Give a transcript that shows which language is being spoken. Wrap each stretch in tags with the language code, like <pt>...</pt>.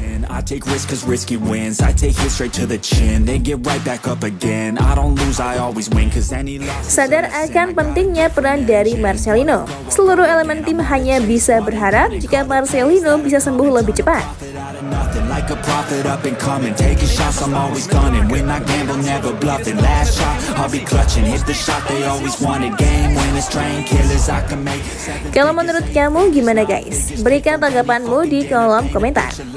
<en>I take risks cause risky wins. I take hit straight to the chin, then get right back up again. I don't lose, I always win. Cause any loss.</en> <id>Sadar akan pentingnya peran dari Marcelino. Seluruh elemen tim hanya bisa berharap jika Marcelino bisa sembuh lebih cepat.</id> <en>Like a prophet up and coming, taking shots, I'm always gunning. When I gamble, never bluffing. Last shot, I'll be clutching. Hit the shot they always wanted. Game winners, train killers, I can make it.</en> <id>Kalau menurut kamu gimana guys? Berikan tanggapanmu di kolom komentar.</id>